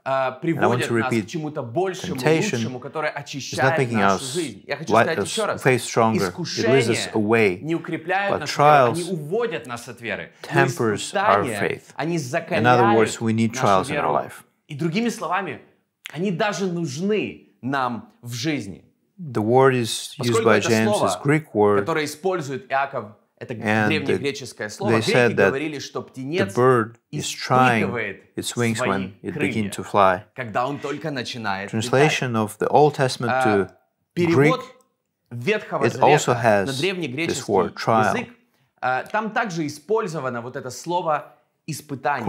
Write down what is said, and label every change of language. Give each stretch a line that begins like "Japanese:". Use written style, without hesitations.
English: And I want to repeat, temptation is not making us faith stronger. It leads us away. But trials tempers our faith. In other words, we need trials in our life.
Russian: И другими словами, они даже нужны нам в жизни.
English: The word is used by James, this Greek word,
Russian: которое использует Иаков, Это древнегреческое слово. Греки говорили, что птенец испытывает свои крылья, когда он только начинает летать. Перевод Ветхого Завета на древнегреческий язык, там также использовано вот это слово «испытание».